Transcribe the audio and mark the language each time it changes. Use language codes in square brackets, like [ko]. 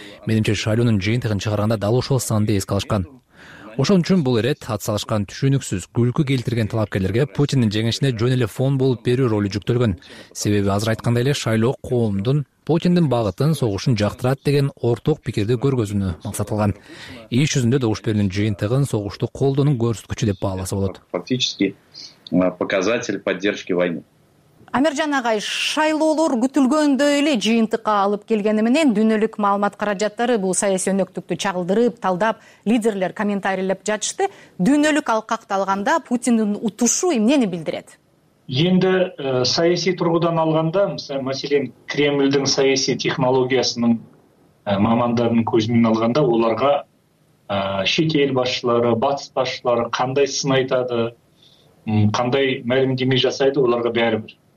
[ky] Менимче, шайлоонун жыйынтыгын чыгарганда дал ошол санды эске алышкан. Ошон үчүн бул ирет атсалышкан түшүнүксүз күлкү келтирген талапкерлерге Путиндин жеңишине жөн эле фон болуп берүү ролу жүктөлгөн. Себеби азыр айткандай эле шайлоо коомдун Путиндин багытын, согушун жактырат деген ортоок пикирди көргөзүүнү максаттылган. Иш жүзүндө добуш берүүнүн жыйынтыгын согушту колдоонун көрсөткүчү деп бааласа болот. [ru] Фактически показатель поддержки войны. [ky] Амиржан агай, шайлоолор күтүлгөндөй эле жыйынтыкка алып келгени менен дүйнөлүк маалымат каражаттары бул саясий өнөктүктү чагылдырып, талдап, лидерлер комментарийлеп жатышты. Дүйнөлүк алкакты алганда Путиндин утушу эмнени билдирет? [kk] Енді саяси тұрғыдан алғанда, мәселен, Кремльдің саяси технологиясының мамандарының көзімен алғанда, оларға шетел басшылары, батыс басшылары қандай сын айтады, қандай мәлімдеме жасайды, оларға бәрібір.